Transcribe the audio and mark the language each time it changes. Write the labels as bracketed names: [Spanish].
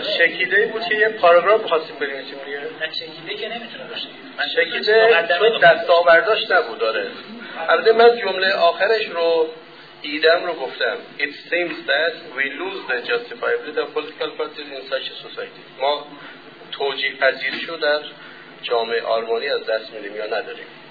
[Persian] چکیده بود که یه پاراگراف خواستیم بریم چیم دیگه؟ نه چکیده که نمیتونه باشه، من چکیده چون دستاورداش نبود. آره البته من جمله آخرش رو ایدم رو گفتم. [English] It seems that we lose the justifiability of political parties in such a society. [Persian] ما توجیه پذیر شو در جامعه آرمانی از دست میدیم یا نداریم.